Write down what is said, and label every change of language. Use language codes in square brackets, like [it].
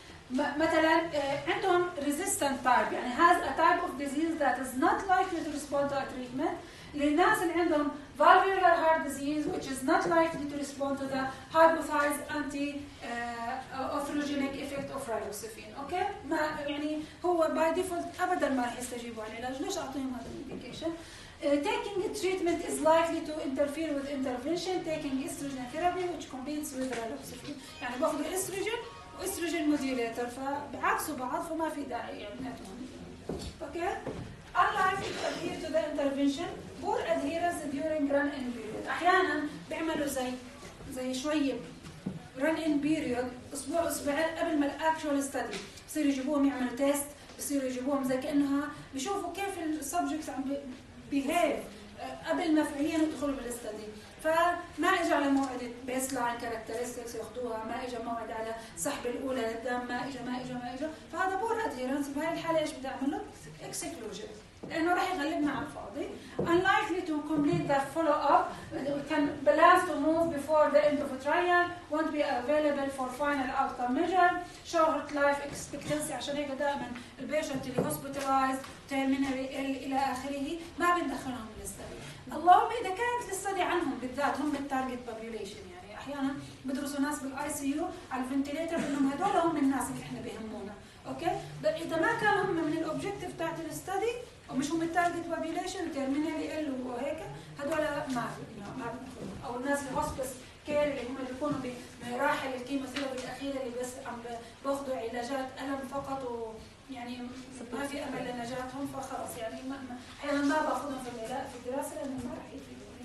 [ar] مثلا عندهم ريزيستنت تايب، يعني [en] has a type of disease that is not likely to respond to treatment, [ar] للناس اللي عندهم [en] valvular heart disease which is not likely to respond to the hypothesized anti atherogenic effect of raloxifene. okay، [ar] ما يعني هو [en] by default [ar] ابدا ما راح يستجيبوا على العلاج، ليش اعطيهم هذا الميديكيشن؟ [en] taking a treatment is likely to interfere with intervention taking estrogen therapy which competes with raloxifene. [ar] يعني باخذ الاستروجين واستروجين موديوليتر فبعكسوا بعض، فما في داعي يعني هاتهم. [en] okay، unlikely to adhere to the intervention. Poor adherence during run-in period. [ar] أحياناً بيعملوا زي شوية run-in period أسبوع أسبوعين قبل ما الـ actual study، بصير يجيبوهم يعملوا تيست، بصير يجيبوهم زي كأنها بيشوفوا كيف الـ subjects عم behave قبل ما فعلياً يدخلوا بالـ study. فما إجا على موعد baseline characteristics ياخدوها، ما إجا موعد على سحب الأولى للدم، ما إجا، فهذا poor adherence. بهاي الحالة إيش بدي أعمله؟ exclusion، لأنه راح يغلبنا على الفاضي. [en] unlikely to complete the follow-up can blast to move before the end of a trial won't be available for final outcome measure short life expectancy. [ar] عشان هيك دائما البيشنت اللي hospitalized terminally ill إلى آخره ما بندخلهم للستدي، اللهم إذا كانت للستدي عنهم بالذات هم التارجت بابيوليشن. يعني أحيانا بدرسوا ناس بالآي سي يو على الفنتيليتر إنهم هدول هم الناس اللي إحنا بيهمونا. أوكي، إذا ما كانوا هم من الأوبجيكتيف تاعت الستدي ومش هم التارجت بابيليشن تيرمينالي ال وهيك، هذول ما او الناس في هوسبيس كير اللي هم بيكونوا بمراحل الكيموثيرابي الاخيره اللي بس عم باخذوا علاجات الم فقط، ويعني ما في امل لنجاتهم، فخلص يعني احيانا ما باخذهم في الدراسه لانه ما راح يفيدوني.